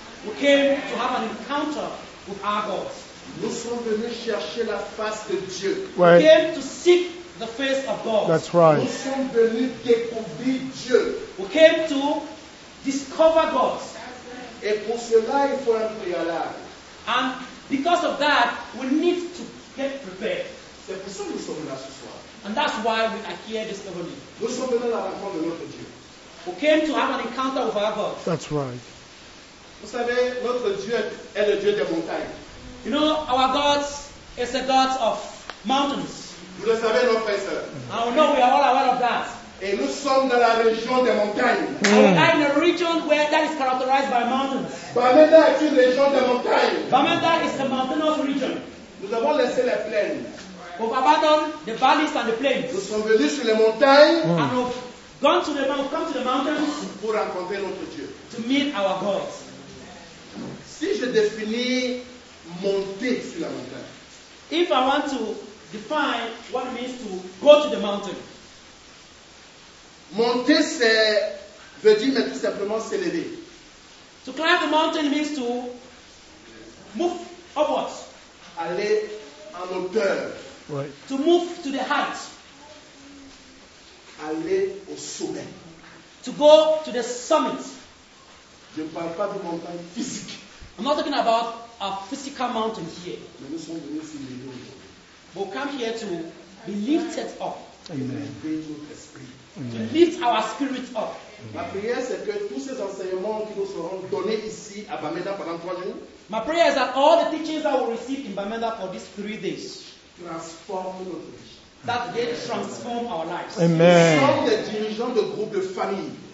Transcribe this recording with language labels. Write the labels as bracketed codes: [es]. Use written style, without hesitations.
[en] We came to have an encounter with our God. [fr] Nous sommes venus chercher la face de Dieu. [en] Right. We came to seek the face of God. That's right. [fr] Nous sommes venus découvrir Dieu. [en] We came to discover God. [fr] Et pour cela, il faut un préalable. [en] And because of that, we need to get prepared. [fr] C'est pour ça que nous sommes là ce soir. [en] And that's why we are here this evening. [fr] Nous sommes venus à la rencontre de notre Dieu. [en] We came to have an encounter with our God. That's right. [fr] Vous savez, notre Dieu est le Dieu des montagnes. [en] You know, our God is a God of mountains. [fr] Vous le savez, nos frères. [en] And we know we are all aware of that. [fr] Et nous sommes dans la région des montagnes. Mm. [en] And we are in a region where that is characterized by mountains. [fr] Bamenda est une région des montagnes. [en] Bamenda is a mountainous region. [fr] Nous avons laissé les plaines. [en] We've abandoned the valleys and the plains. [fr] Nous sommes venus sur les montagnes. Mm. [en] And we've gone to come to the mountains. [fr] Pour rencontrer notre Dieu. [en] To meet our God. [fr] Si je définis monter sur la montagne. [en] If I want to define what it means to go to the mountain. [fr] Monter, c'est veut dire mais tout simplement s'élever. [en] To climb the mountain means to move upwards. [fr] Aller en hauteur. [en] Right. To move to the height. [fr] Aller au sommet. [en] To go to the summit. [fr] Je ne parle pas de montagnes physiques. [en] I'm not talking about a physical mountain here. [fr] Mais nous sommes venus sur les lieux. [en] We'll come here to be lifted up. Amen. To lift our spirit up. [fr] Ma prière, c'est que tous ces enseignements qui nous seront donnés ici à Bamenda pendant 3 jours. [en] My prayer is that all the teachings that we receive in Bamenda for these 3 days transform [fr] notre vie. [en] That they transform our lives. Amen. [fr] Nous sommes des dirigeants de groupe de famille.